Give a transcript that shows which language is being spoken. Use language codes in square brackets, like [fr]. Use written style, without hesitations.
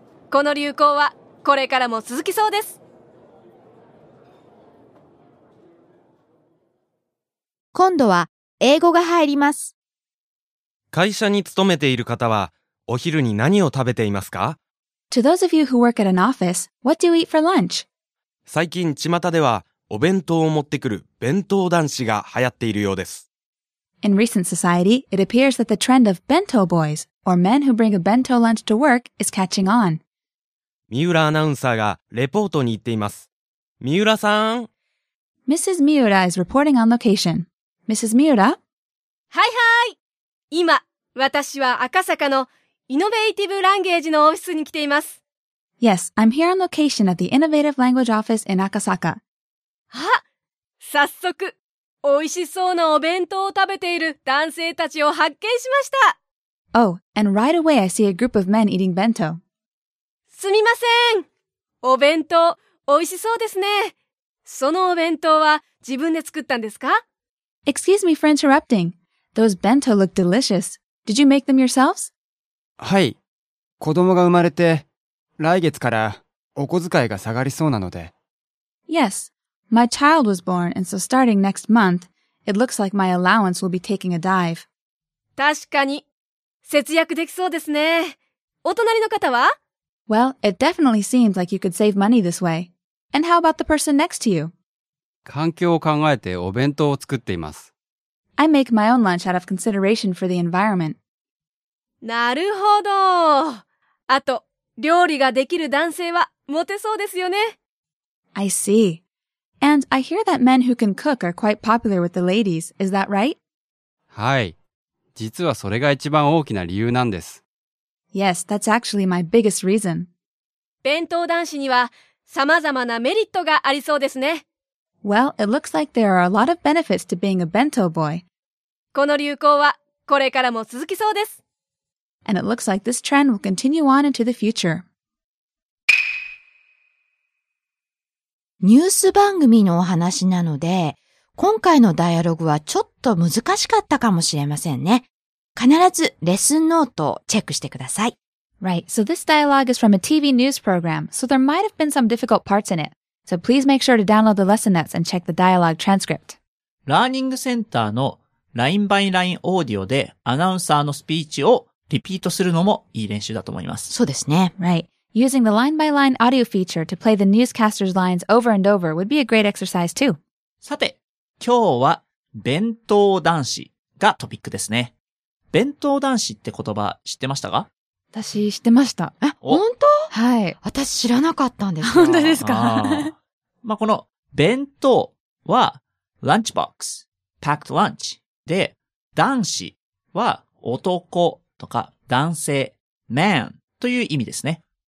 [ja] この流行はこれからも続きそうです。今度は英語が入ります。会社に勤めている方はお昼に何を食べていますか？ [en] To those of you who work at an office, what do you eat for lunch? [ja] 最近巷ではお弁当を持ってくる弁当男子が流行っているようです。 [en] In recent society, it appears that the trend of bento boys, or men who bring a bento lunch to work, is catching on. [ja] 三浦アナウンサーがレポートに行っています。三浦さん。 [en] Mrs. Miura is reporting on location. Mrs. Miura? [ja] はいはい。今、私は赤坂のイノベーティブランゲージのオフィスに来ています。 [en] Yes, I'm here on location at the Innovative Language Office in Akasaka. [ja] あ、早速。美味しそうなお弁当を食べている男性たちを発見しました。 [en] Oh, and right away I see a group of men eating bento. [ja] すみません。お弁当、美味しそうですね。そのお弁当は自分で作ったんですか？ [en] Excuse me for interrupting. Those bento look delicious. Did you make them yourselves? [ja] はい。子供が生まれて、来月からお小遣いが下がりそうなので。 [en] Yes. My child was born, and so starting next month, it looks like my allowance will be taking a dive. [ja] 確かに、節約できそうですね。お隣の方は？ [en] Well, it definitely seems like you could save money this way. And how about the person next to you? [ja] 環境を考えてお弁当を作っています。 [en] I make my own lunch out of consideration for the environment. [ja] なるほど。あと、料理ができる男性はモテそうですよね。 [en] I see. And I hear that men who can cook are quite popular with the ladies. Is that right? [ja] はい。実はそれが一番大きな理由なんです。 [en] Yes, that's actually my biggest reason. [ja] 弁当男子にはさまざまなメリットがありそうですね。 [en] Well, it looks like there are a lot of benefits to being a bento boy. [ja] この流行はこれからも続きそうです。 [en] And it looks like this trend will continue on into the future. [ja] ニュース番組のお話なので、今回のダイアログはちょっと難しかったかもしれませんね。必ずレッスンノートをチェックしてください。 [en] Right, so this dialogue is from a TV news program, so there might have been some difficult parts in it. So please make sure to download the lesson notes and check the dialogue transcript. [ja] ラーニングセンターの LINE by LINE オーディオでアナウンサーのスピーチをリピートするのもいい練習だと思います。そうですね。 [en] Right. Using the LINE by LINE audio feature to play the newscaster's lines over and over would be a great exercise too. [ja] さて、今日は弁当男子がトピックですね。弁当男子って言葉知ってましたか？私知ってました。え、本当？はい。私知らなかったんですよ。本当ですか？あ、まあ、この弁当は lunchbox、packed lunch で、男子は男とか男性、man という意味ですね。